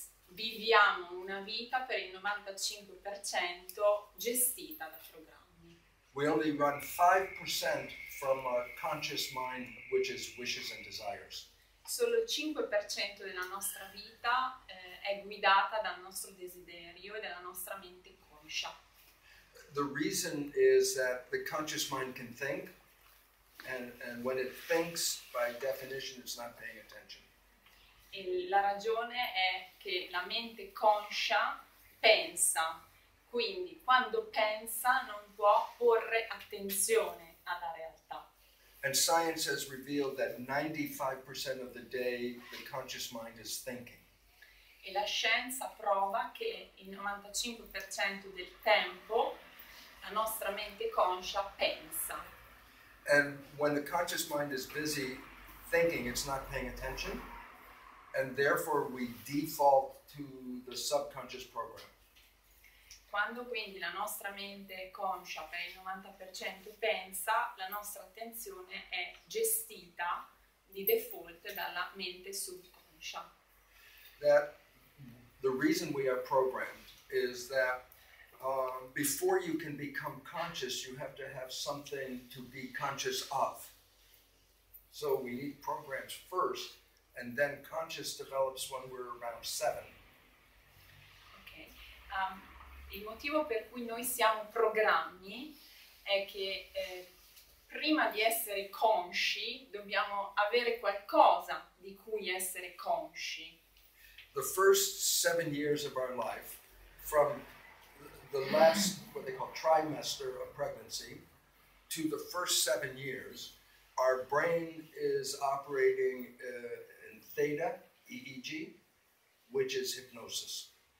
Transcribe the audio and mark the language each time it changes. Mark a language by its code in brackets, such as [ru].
[it] Viviamo una vita per il 95% gestita da programmi. [en] We only run 5% from our conscious mind, which is wishes and desires. [it] Solo il 5% della nostra vita è guidata dal nostro desiderio e dalla nostra mente conscia. [en] The reason is that the conscious mind can think, and when it thinks, by definition, it's not paying attention. [it] E la ragione è che la mente conscia pensa, quindi quando pensa non può porre attenzione alla realtà. [en] And science has revealed that 95% of the day the conscious mind is thinking. [it] E la scienza prova che il 95% del tempo la nostra mente conscia pensa. [en] And when the conscious mind is busy thinking, it's not paying attention. And therefore we default to the subconscious program. [it] Quando quindi la nostra mente conscia per il 90% pensa, la nostra attenzione è gestita di default dalla mente subconscia. [en] That the reason we are programmed is that Before you can become conscious, you have to have something to be conscious of. So we need programs first, and then conscious develops when we're around 7. Okay. [it] Il motivo per cui noi siamo programmi è che prima di essere consci dobbiamo avere qualcosa di cui essere consci. [en] The first 7 years of our life, from the last, what they call trimester of pregnancy, to the first 7 years, our brain is operating in theta, EEG, which is hypnosis.